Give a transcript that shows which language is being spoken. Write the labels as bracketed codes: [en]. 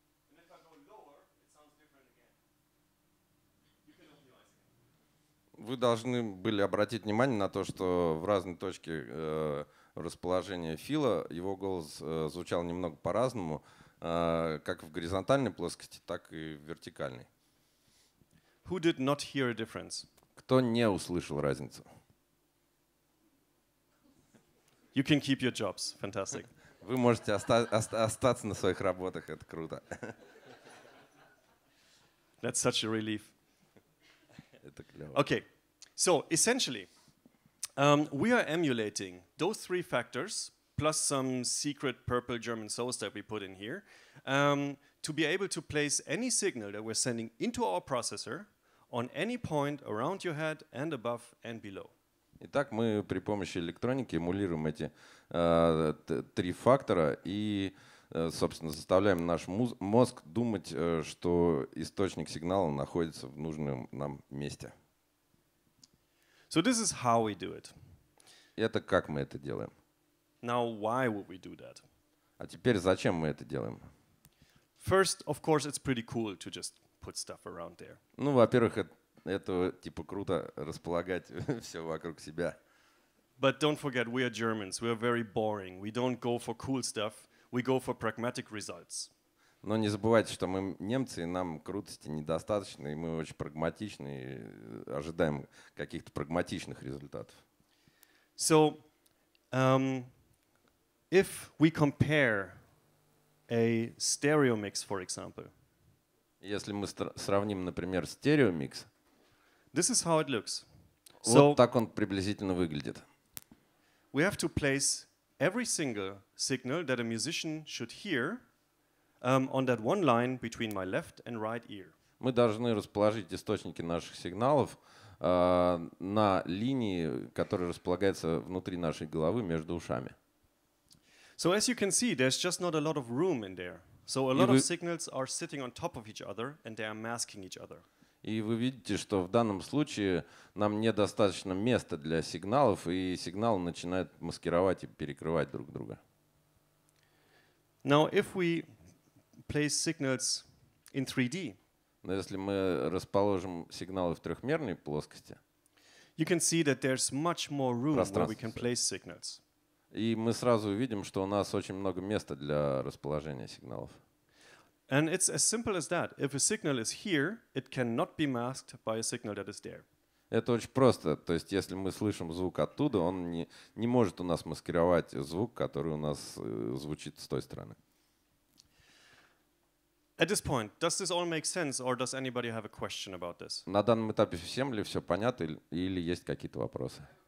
[en] And if I go lower, it sounds different again. You can optimize it. [ru] Вы должны были обратить внимание на то, что в разные точки расположения Фила его голос звучал немного по-разному, как в горизонтальной плоскости, так и в вертикальной. [en] Who did not hear a difference? [ru] Кто не услышал разницу? [en] You can keep your jobs. Fantastic. [ru] Вы можете остаться на своих работах. Это круто. [en] That's such a relief. [ru] Это клево. [en] Okay. So, essentially, we are emulating those three factors plus some secret purple German source that we put in here to be able to place any signal that we're sending into our processor on any point around your head and above and below. [ru] Итак, мы при помощи электроники эмулируем эти три фактора и, собственно, заставляем наш мозг думать, что источник сигнала находится в нужном нам месте. [en] So this is how we do it. [ru] Это как мы это делаем. [en] Now why would we do that? [ru] А теперь зачем мы это делаем? [en] First, of course, it's pretty cool to just put stuff around there. [ru] Ну, во-первых, это типа круто располагать все вокруг себя. [en] But don't forget, we are Germans. We are very boring. We don't go for cool stuff. We go for pragmatic results. [ru] Но не забывайте, что мы немцы, и нам крутости недостаточно, и мы очень прагматичны, и ожидаем каких-то прагматичных результатов. [en] So, if we compare a stereo mix, for example, [ru] если мы сравним, например, стереомикс, [en] this is how it looks. [ru] Вот so, так он приблизительно выглядит. [en] We have to place every single signal that a musician should hear on that one line between my left and right ear. [ru] Мы должны расположить источники наших сигналов на линии, которая располагается внутри нашей головы между ушами. [en] So as you can see, there's just not a lot of room in there. So a lot of signals are sitting on top of each other, and they are masking each other. [ru] И вы видите, что в данном случае нам недостаточно места для сигналов, и сигналы начинают маскировать и перекрывать друг друга. [en] Now, if we place signals in 3D, [ru] но если мы расположим сигналы в трехмерной плоскости, [en] you can see that there's much more room where we can place signals. [ru] И мы сразу увидим, что у нас очень много места для расположения сигналов. [en] And it's as simple as that. If a signal is here, it cannot be masked by a signal that is there. [ru] Это очень просто. То есть, если мы слышим звук оттуда, он не может у нас маскировать звук, который у нас звучит с той стороны. [en] At this point, does this all make sense, or does anybody have a question about this? [ru] На данном этапе всем ли все понятно, или есть какие-то вопросы?